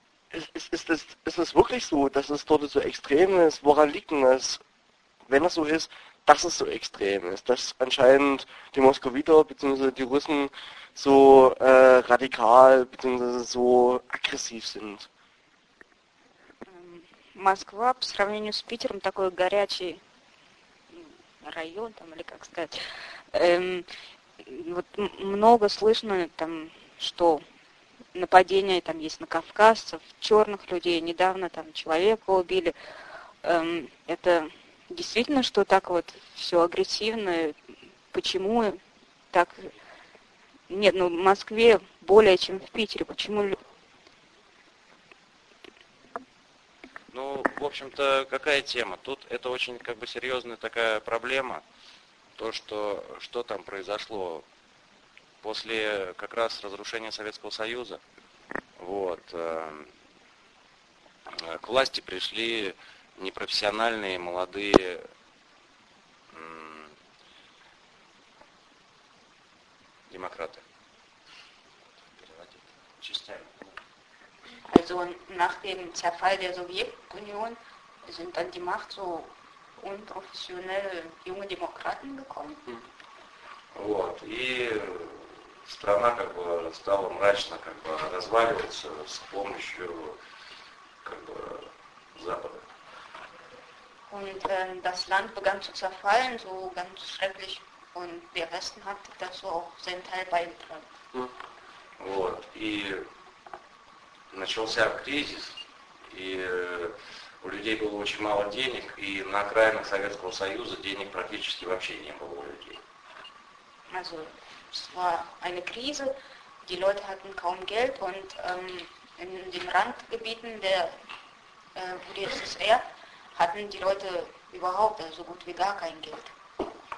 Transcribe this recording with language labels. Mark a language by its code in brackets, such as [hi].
[de] Ist es wirklich so, dass es dort so extrem ist? Woran liegt denn das, wenn das so ist, dass es so extrem ist? Dass anscheinend die Moskowiter bzw. die Russen so radikal bzw. so aggressiv sind. [ru] Москва по сравнению с Питером такой горячий район, там, или как сказать. Вот много слышно там, что нападения там есть на кавказцев, черных людей, недавно там человека убили. Это действительно, что так вот все агрессивно? Почему так? Нет, ну в Москве более чем в Питере, почему? Ну, в общем-то, какая тема? Тут это очень как бы серьезная такая проблема, то, что там произошло после как раз разрушения Советского Союза. К власти пришли непрофессиональные молодые демократы. Частями. [de] Also nach dem Zerfall der Sowjetunion sind dann die Macht so unprofessionelle junge Demokraten gekommen. [ru] И страна как бы стала мрачно как бы разваливаться с помощью как бы Запада. [de] Und das Land begann zu zerfallen, so ganz schrecklich, und der Westen hat dazu auch seinen Teil beigetragen. [ru] Начался кризис, и у людей было очень мало денег, и на окраинах Советского Союза денег практически вообще не было у людей. [de] Also, es war eine Krise, die Leute hatten kaum Geld, und in den Randgebieten der UdSSR hatten die Leute überhaupt so gut wie gar kein Geld.